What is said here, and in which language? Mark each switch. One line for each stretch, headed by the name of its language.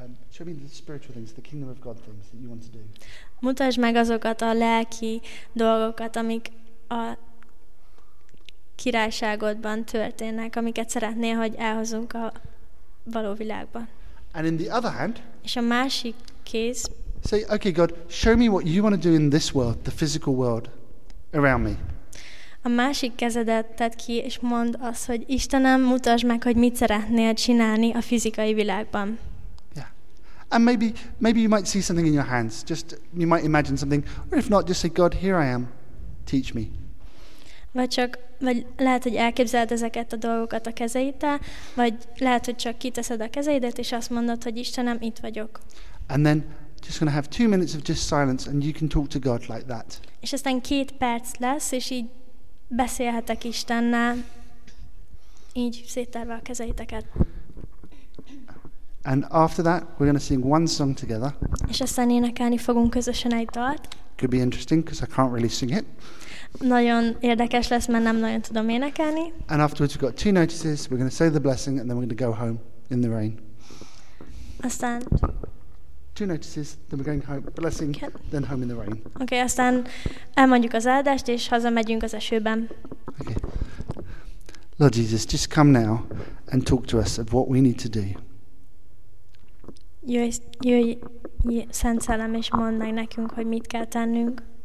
English: Show me the spiritual things, the kingdom of God things that you want to do.
Hungarian: Mutasd meg azokat a lelki dolgokat, amik a királyságodban történnek, amiket szeretnél, hogy elhozunk a való világba.
English: And in the other hand,
Hungarian: és a másik kéz,
English: say, okay, God, show me what you want to do in this world, the physical world around me.
Hungarian: A másik kezedet tedd ki, és mondd azt, hogy Istenem, mutasd meg, hogy mit szeretnél csinálni a fizikai világban.
English: Yeah. And maybe you might see something in your hands. Just, you might imagine something. Or if not, just say, God, here I am. Teach me.
Hungarian: Vagy lehet, hogy elképzeled ezeket a dolgokat a kezeiddel, vagy lehet, hogy csak kiteszed a kezeidet, és azt mondod, hogy Istenem, itt vagyok.
English: And then, just going to have 2 minutes of just silence, and you can talk to God like that.
Hungarian: És aztán 2 perc lesz, és így beszélhetek Istennel, így szétterve a kezeiteket.
English: And after that, we're going to sing one song together.
Hungarian: És aztán énekelni fogunk közösen egy dalt.
English: Could be interesting, because I can't really sing it.
Hungarian: Nagyon érdekes lesz, mert nem nagyon tudom énekelni.
English: And afterwards we've got 2 notices. We're going to say the blessing and then we're going to go home in the rain.
Hungarian: Aztán...
English: 2 notices, then we're going home, blessing, then home in the rain.
Hungarian: Okay, aztán elmondjuk az áldást és hazamegyünk az esőben.
English: Okay. Lord Jesus, just come now and talk to us of what we need to do.
Hungarian: Jöjj Szent Szellem és mondd meg nekünk, hogy mit kell tennünk.